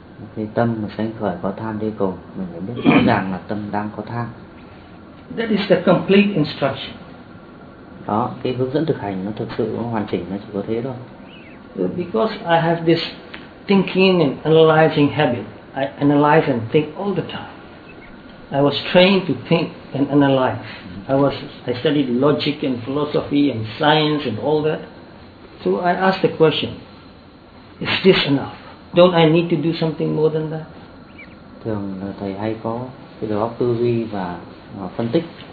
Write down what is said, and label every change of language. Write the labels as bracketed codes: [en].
[vi] Okay, tâm mà sanh khởi có tham đi cùng, mình phải biết rõ ràng là tâm đang có tham. [en] That is the complete instruction. [vi] Đó, cái hướng dẫn thực hành nó thực sự nó hoàn chỉnh, nó chỉ có thế thôi. [en] Because I have this thinking and analyzing habit, I analyze and think all the time. I was trained to think and analyze. I studied logic and philosophy and science and all that. So I asked the question, is this enough? Don't I need to do something more than that? [vi] Thường thầy hay có cái đầu óc tư duy và phân tích.